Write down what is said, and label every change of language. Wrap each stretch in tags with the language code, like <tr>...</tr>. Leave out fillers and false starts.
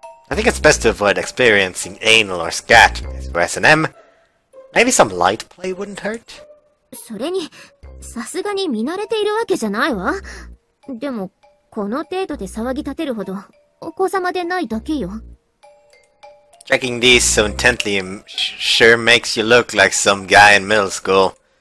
<en>I think it's best to avoid experiencing anal or scat for S&M. Maybe some light play wouldn't hurt?</en> <ja>それに、さすがに見慣れているわけじゃないわ。でも、この程度で騒ぎ立てるほど、お子様でないだけよ。</ja> <en>Checking these so intently sure makes you look like some guy in middle school.</en>